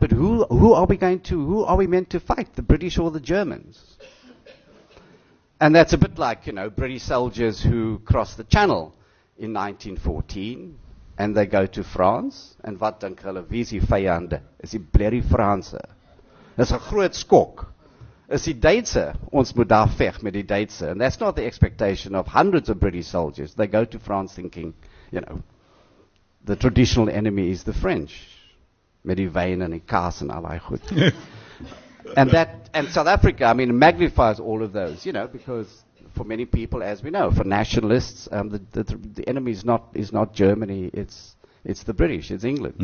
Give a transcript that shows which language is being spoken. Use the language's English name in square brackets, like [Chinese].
[English] But who are we going to? Who are we meant to fight? The British or the Germans? And that's a bit like, you know, British soldiers who cross the Channel in 1914, and they go to France, and [Afrikaans] wat dink hulle, wie is die vyande? Is die blerry Franse. Dis 'n groot skok. Is die Duitse, ons moet daar veg met die Duitse. [English] And that's not the expectation of hundreds of British soldiers. They go to France thinking, you know, the traditional enemy is the French. [Afrikaans] Met die wyn en die kaas en al die goed. [English] And that, and South Africa, I mean, magnifies all of those, you know, because for many people, as we know, for nationalists, the enemy is not Germany, it's the British, it's England.